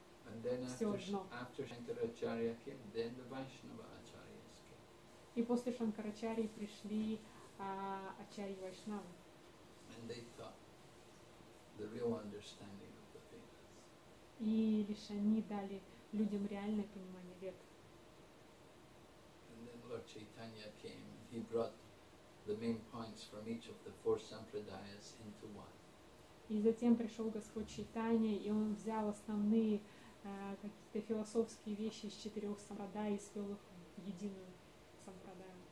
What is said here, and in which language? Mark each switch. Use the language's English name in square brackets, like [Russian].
[English] And then after Shankaracharya came, then the Vaishnava Acharyas came. [Russian] И после Шанкарачарьи пришли Ачарьи Вайшнавы. [English] And they thought the real understanding of the Vedas. [Russian] И лишь они дали людям реальное понимание вед. [English] And then Lord Chaitanya came and he brought the main points from each of the four sampradayas into one. [Russian] И затем пришел Господь Чайтанья, и он взял основные какие-то философские вещи из четырех сампрадай и свел их в единую сампрадаю.